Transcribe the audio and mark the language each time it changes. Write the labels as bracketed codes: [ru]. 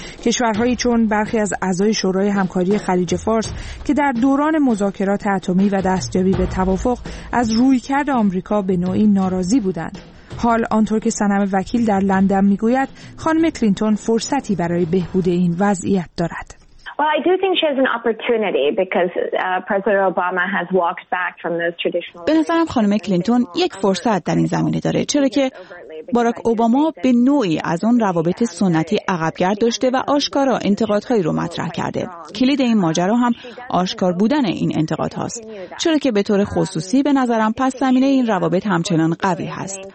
[fa] کشورهایی چون برخی از اعضای شورای همکاری خلیج فارس که در دوران مذاکرات اتمی و دستیابی به توافق از رویکرد آمریکا به نوعی ناراضی بودند. حال آنطور که سنم وکیل در لندن میگوید، خانم کلینتون فرصتی برای بهبود این وضعیت دارد. [en] Well, I do think she has an opportunity because President Obama has walked back from those traditional. [fa] به نظرم خانم کلینتون یک فرصت در این زمینه داره، چرا که باراک اوباما به نوعی از اون روابط سنتی عقب‌گرد داشته و آشکارا انتقادهایی رو مطرح کرده. کلید این ماجرا هم آشکار بودن این انتقادهاست، چرا که به طور خصوصی به نظرم پس زمینه این روابط همچنان قوی هست.